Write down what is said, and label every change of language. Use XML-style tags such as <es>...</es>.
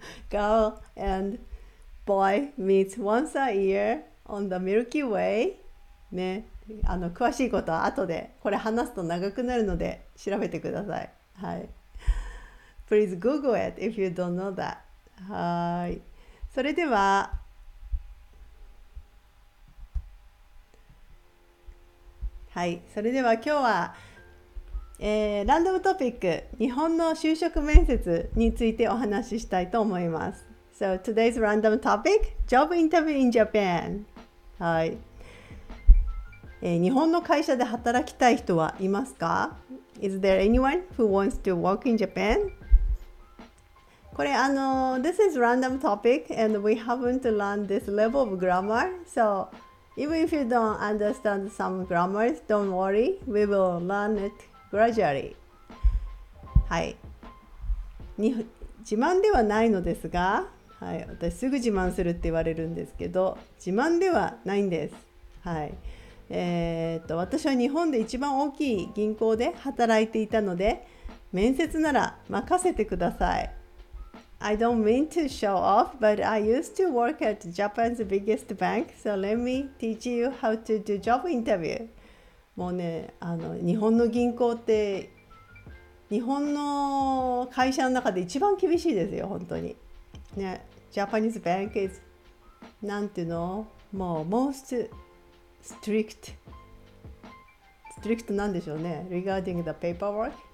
<en>Girl and boy meets once a year on the Milky Way.</en> <ja>ね、あの詳しいことは後で、これ話すと長くなるので調べてください。はい。</ja> <en>Please Google it if you don't know that.</en> <ja>はい。それでは、はい。それでは今日は、ランダムトピック、日本の就職面接についてお話ししたいと思います。</ja> <en>So today's random topic, job interview in Japan.</en> <ja>はい。日本の会社で働きたい人はいますか？</ja> <en>Is there anyone who wants to work in Japan?</en> <ja>これ、</ja> <en>this is random topic and we haven't learned this level of grammar. So even if you don't understand some grammars, don't worry, we will learn itGradually.</en> <ja>はい、自慢ではないのですが、はい、私すぐ自慢するって言われるんですけど、自慢ではないんです。はい、私は日本で一番大きい銀行で働いていたので、面接なら任せてください。</ja> <en>I don't mean to show off, but I used to work at Japan's biggest bank, so let me teach you how to do job interview.</en> <ja>もうね、日本の銀行って日本の会社の中で一番厳しいですよ、本当に。</ja> <en>ね、Japanese bank is</en> <ja>なんていうの、もう</ja> <en>most strict</en> <ja>なんでしょうね、</ja> <en>regarding the paperwork.</en>